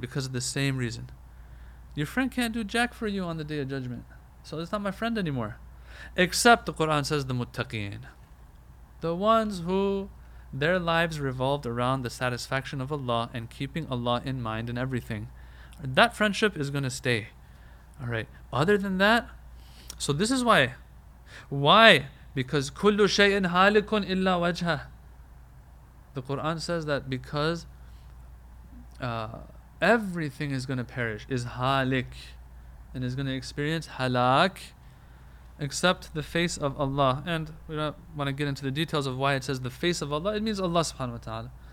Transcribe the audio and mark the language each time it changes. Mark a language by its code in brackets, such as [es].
[en] Because of the same reason. Your friend can't do jack for you on the Day of Judgment, so it's not my friend anymore. Except the Quran says the muttaqeen, the ones who their lives revolved around the satisfaction of Allah and keeping Allah in mind and everything, that friendship is going to stay. All right. Other than that, so this is why. Why? Because [ar] كل شيء هالك إلا وجهه. [en] The Quran says that because everything is going to perish, is halik, and is going to experience halak, except the face of Allah. And we don't want to get into the details of why it says the face of Allah. It means Allah subhanahu wa ta'ala.